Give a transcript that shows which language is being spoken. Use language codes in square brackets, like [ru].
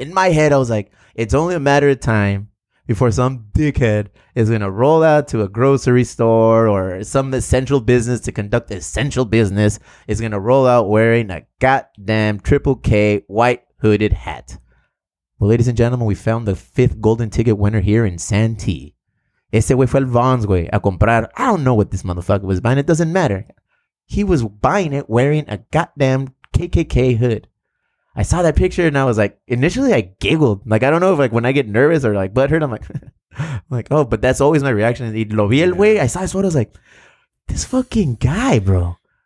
[en] In my head, I was like, it's only a matter of time before some dickhead is gonna roll out to a grocery store or some essential business to conduct essential business, is gonna roll out wearing a goddamn triple K white hooded hat. Well, ladies and gentlemen, we found the fifth golden ticket winner here in Santee. [es] Ese güey fue el Vons, güey, a comprar. [en] I don't know what this motherfucker was buying. It doesn't matter. He was buying it wearing a goddamn KKK hood. I saw that picture and I was like, initially I giggled. Like, I don't know if like when I get nervous or like butthurt, I'm like, oh, but that's always my reaction. And [es] lo vi el güey. [en] I saw his photo. I was like, this fucking guy, bro.